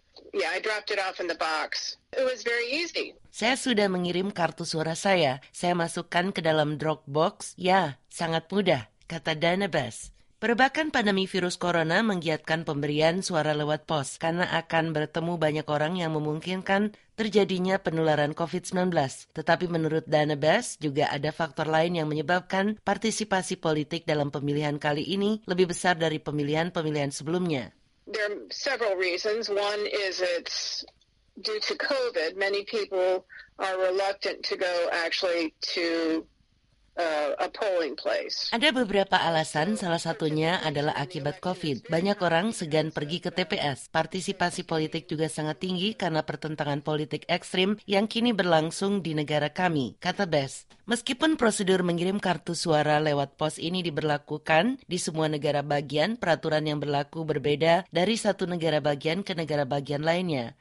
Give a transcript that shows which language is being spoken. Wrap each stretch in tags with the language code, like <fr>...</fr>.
<en>Yeah, I dropped it off in the box. It was very easy.</en> <id>Saya sudah mengirim kartu suara saya. Saya masukkan ke dalam drop box. Ya, sangat mudah, kata Dana Bass. Perbakan pandemi virus corona menggiatkan pemberian suara lewat pos karena akan bertemu banyak orang yang memungkinkan terjadinya penularan COVID-19. Tetapi menurut Dana Bass, juga ada faktor lain yang menyebabkan partisipasi politik dalam pemilihan kali ini lebih besar dari pemilihan-pemilihan sebelumnya.</id> <en>There are several reasons. One is it's due to COVID. Many people are reluctant to go actually to a polling place.</en> <id>Ada beberapa alasan, salah satunya adalah akibat COVID. Banyak orang segan pergi ke TPS. Partisipasi politik juga sangat tinggi karena pertentangan politik ekstrim yang kini berlangsung di negara kami, kata Bass. Meskipun prosedur mengirim kartu suara lewat pos ini diberlakukan di semua negara bagian, peraturan yang berlaku berbeda dari satu negara bagian ke negara bagian lainnya.</id>